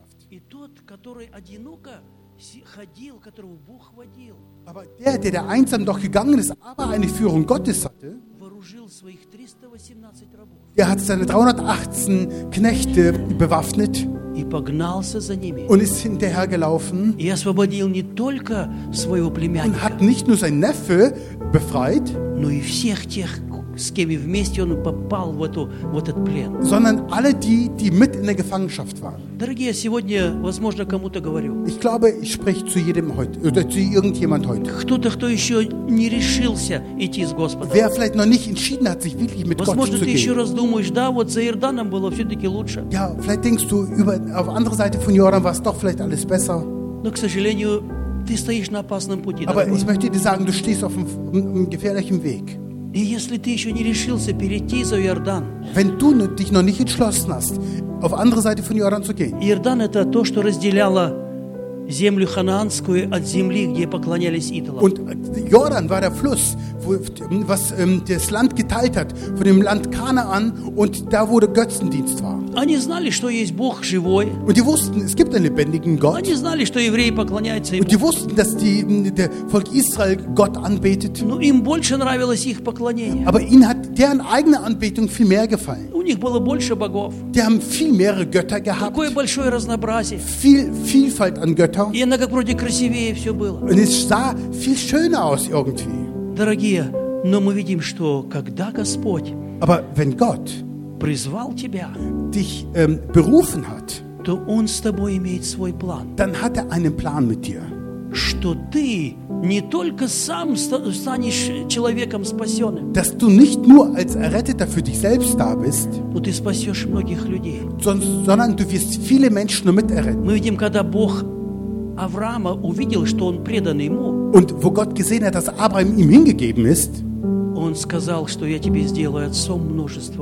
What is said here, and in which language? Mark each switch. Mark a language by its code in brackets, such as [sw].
[ru] И тот, который одиноко ходил, которого Бог водил. [de] Aber der einsam doch gegangen ist, aber eine Führung Gottes hatte. [ru] Вооружил своих 318 рабов. [de] Er hat seine 318 Knechte bewaffnet. [ru] И погнался за ними. [de] Und ist hinterher gelaufen. [ru] И освободил не только своего племянника. [de] Und hat nicht nur seinen Neffe befreit. [ru] Но и всех тех, с кем вместе он попал в эту в этот плен. [de] Sondern alle die mit in der Gefangenschaft waren. [ru] Дорогие, сегодня, возможно, кому-то говорю. [de] Ich glaube, ich spreche zu jedem heute oder zu irgendjemand heute. [ru] Кто-то, кто еще не решился идти с Господом. [de] Wer vielleicht noch nicht entschieden hat, sich wirklich mit [ru] возможно, Возможно, ты еще раз думаешь, да, вот за Иорданом было все-таки лучше. [de] Ja, vielleicht denkst du auf andere Seite von Jordan war es doch vielleicht alles besser. [ru] Но, к сожалению, ты стоишь на опасном пути. [de] Aber ich möchte dir sagen, du stehst auf einem gefährlichen Weg. [ru] И если ты еще не решился перейти за Иордан, [de] wenn du dich noch nicht entschlossen hast, auf andere Seite von Jordan zu gehen. [ru] Иордан это то, что разделяло землю ханаанскую от земли, где поклонялись идолам. [de] Und Jordan war der Fluss, was das Land geteilt hat von dem Land Kanaan und da wo der Götzendienst war. [ru] Они знали, что есть Бог живой. [de] Und die wussten, es gibt einen lebendigen Gott. [ru] Они знали, что евреи поклоняются ему. [de] Und die wussten, dass der Volk Israel Gott anbetet. [ru] Но им больше нравилось их поклонение. [de] Aber ihnen hat deren eigene Anbetung viel mehr gefallen. [ru] У них было больше богов. [de] Die haben viel mehrere Götter gehabt. [ru] Какое большое разнообразие. [de] Viel Vielfalt an Götter. [ru] И оно как вроде красивее все было. [de] Und es sah viel schöner aus irgendwie. [ru] Дорогие, но мы видим, что когда Господь [de] Aber wenn Gott [ru] призвал тебя, [de] dich berufen hat, [ru] то Он с тобой имеет свой план. [de] Dann hat einen Plan mit dir. [ru] Что ты не только сам станешь человеком спасенным, [de] dass du nicht nur als Erretteter für dich selbst da bist, [ru] но ты спасешь многих людей. [de] Sondern du wirst viele Menschen mit erretten. [ru] Мы видим, когда Бог Авраама увидел, что он предан ему. [de] Und wo Gott gesehen hat, dass Abraham ihm hingegeben ist. [ru] Он сказал, что я тебе сделаю отцом множества.